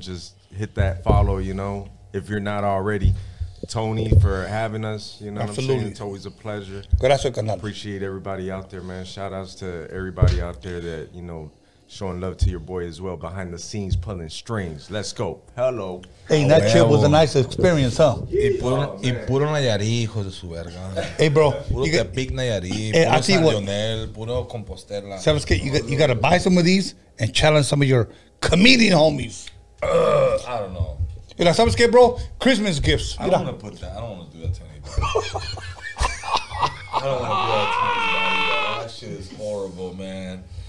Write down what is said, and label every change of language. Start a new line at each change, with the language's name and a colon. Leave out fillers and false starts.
English: Just hit that follow, you know, if you're not already. Tony, for having us, you know. Absolutely. What I'm saying? It's always a pleasure.
Spanish: Gracias, canal.
English: Appreciate everybody out there, man. Shout outs to everybody out there that, you know, showing love to your boy as well, behind the scenes, pulling strings. Let's go. Hello. Hey, that trip was a nice experience, huh?
Spanish: Y puro Nayarí, hijo de su verga.
English: Hey, bro.
Spanish: Puro Tepic Nayarí, puro San Leonel, puro Compostela. Sabes que,
English: you got to buy some of these and challenge some of your comedian homies. I don't know. You know,
Spanish: sabes que,
English: bro? Christmas gifts. I don't want to put that. I don't want to do that to anybody. I don't want to do that to anybody. That shit is horrible, man.